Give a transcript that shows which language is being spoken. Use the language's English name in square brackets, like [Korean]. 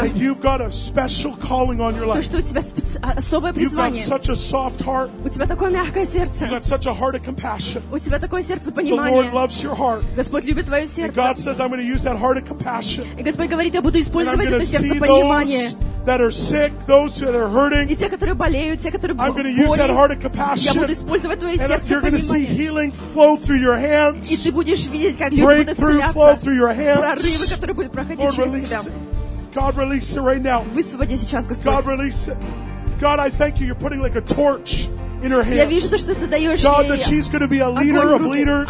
[English] That you've got a special calling on your life. [Russian] То, что у тебя особое призвание. [English] You've got such a soft heart. [Russian] У тебя такое мягкое сердце. [English] You've got such a heart of compassion. [Russian] У тебя такое сердце понимания. [English] The Lord loves your heart. [Russian] Господь любит твое сердце. [English] And God says, I'm going to use that heart of compassion. [Russian] И Господь говорит, я буду использовать это сердце понимания. [English] That are sick, those that are hurting. [Russian] И те, которые болеют, те, которые [English] I'm going to use that heart of compassion. [Russian] Я буду использовать твое сердце понимания. [English] You're going to see healing flow through your hands. [Russian] И ты будешь видеть, как [English] Breakthrough flow through your hands. [Russian] Прорывы, которые будут проходить [English] Lord, [Russian] через [English] release [Russian] тебя. [English] It. God, release it right now. [Russian] Высвободи сейчас, Господь. [English] God, release it. God, I thank you. You're putting like a torch in her hand. [Russian] Я вижу то, что ты даёшь ей. [English] God, that she's going to be a leader of leaders.